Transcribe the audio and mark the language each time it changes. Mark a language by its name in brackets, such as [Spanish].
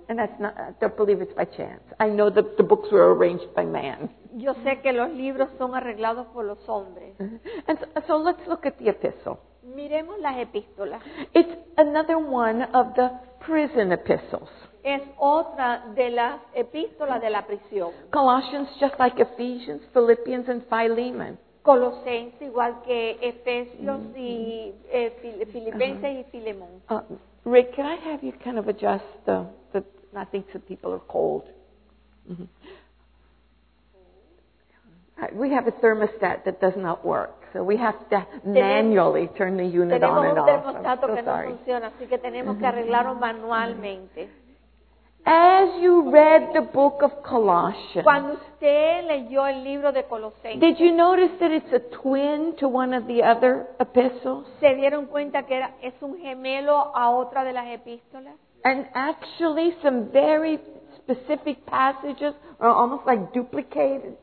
[English] And that's not, I don't believe it's by chance. I know that the books were arranged by man. [Spanish] Yo sé que los libros son arreglados por los hombres. [English] And so let's look at the epistle. [Spanish] Miremos las epístolas. [English] It's another one of the prison epistles. [Spanish] Es otra de las epístolas de la prisión. [English] Colossians, just like Ephesians, Philippians, and Philemon. [Spanish] Colosenses, igual que Efesios y Filipenses y Filemón. [English] Rick, can I have you kind of adjust the I think some people are cold. We have a thermostat that does not work, so we have to manually turn the unit on and off. [Spanish] Tenemos un termostato que no funciona, así que tenemos que arreglarlo manualmente. [English] As you read the book of Colossians, [Spanish] cuando usted leyó el libro de Colosenses, [English] did you notice that it's a twin to one of the other epistles? [Spanish] ¿Se dieron cuenta que es un gemelo a otra de las epístolas? [English] And actually, some very specific passages are almost like duplicated,